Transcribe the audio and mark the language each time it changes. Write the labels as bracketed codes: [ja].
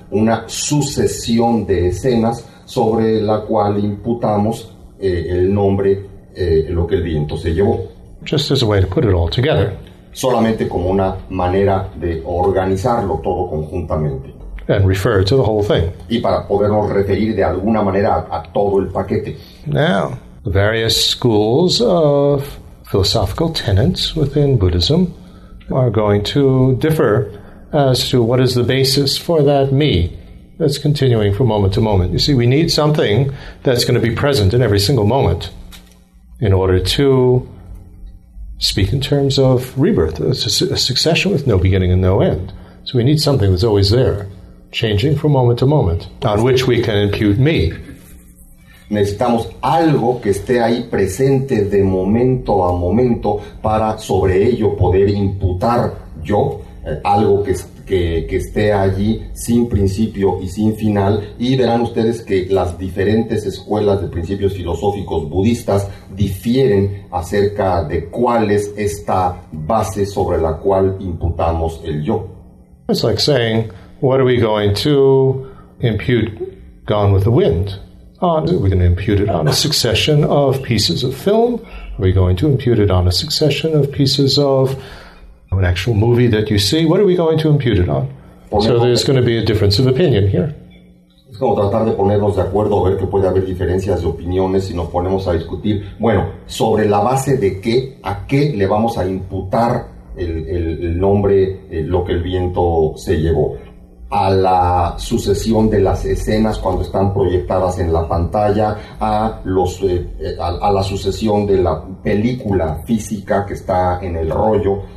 [es] Una sucesión de escenas sobre la cual imputamos el nombre, lo que el viento se llevó. [en] Just as a way to put it all together. [es] Solamente como una manera de organizarlo todo conjuntamente. [en] And refer to the whole thing. [es] Y para podernos referir de alguna manera a todo el paquete. [en] Now, the various schools of philosophical tenets within Buddhism are going to differ as to what is the basis for that me that's continuing from moment to moment. You see, we need something that's going to be present in every single moment in order to speak in terms of rebirth, a succession with no beginning and no end. So we need something that's always there, changing from moment to moment, on which we can impute me. [es] Necesitamos algo que esté ahí presente de momento a momento para sobre ello poder imputar yo, algo que esté allí sin principio y sin final. Y verán ustedes que las diferentes escuelas de principios filosóficos budistas difieren acerca de cuál es esta base sobre la cual imputamos el yo. [en] It's like saying, what are we going to impute Gone with the Wind on? Are we going to impute it on a succession of pieces of film? Are we going to impute it on a succession of pieces of an actual movie that you see? What are we going to impute it on? So there's going to be a difference of opinion here. [es] Es como tratar de ponernos de acuerdo o ver que puede haber diferencias de opiniones si nos ponemos a discutir. Bueno, sobre la base de qué, a qué le vamos a imputar el nombre, lo que el viento se llevó. A la sucesión de las escenas cuando están proyectadas en la pantalla, a la sucesión de la película física que está en el rollo.